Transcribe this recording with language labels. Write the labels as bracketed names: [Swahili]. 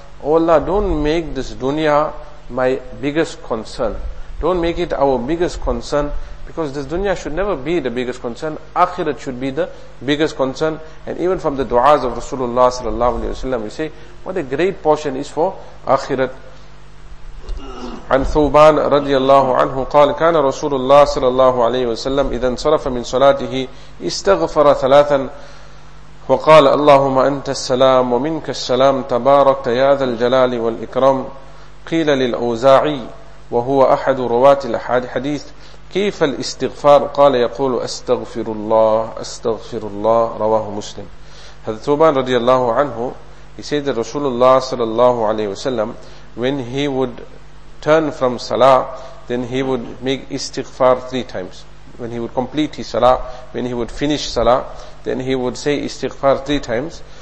[English] Oh Allah, don't make this dunya my biggest concern. Don't make it our biggest concern, because this dunya should never be the biggest concern. Akhirat should be the biggest concern. And even from the du'as of Rasulullah sallallahu alayhi wa sallam, we say, what a great portion is for akhirat. [Arabic] عن ثوبان رضي الله عنه قال كان رسول الله صلى الله عليه وسلم إذا انصرف من صلاته استغفر ثلاثا وقال اللهم أنت السلام ومنك السلام تبارك يا ذا الجلال والإكرام. قيل للأوزاعي وهو أحد رواة الحديث كيف الاستغفار؟ قال يقول أستغفر الله أستغفر الله. رواه مسلم. هذا ثوبان رضي الله عنه, [English] he said that رسول الله صلى الله عليه وسلم, when he would turn from salah, then he would make istighfar 3 times. When he would complete his salah, when he would finish salah, then he would say istighfar 3 times.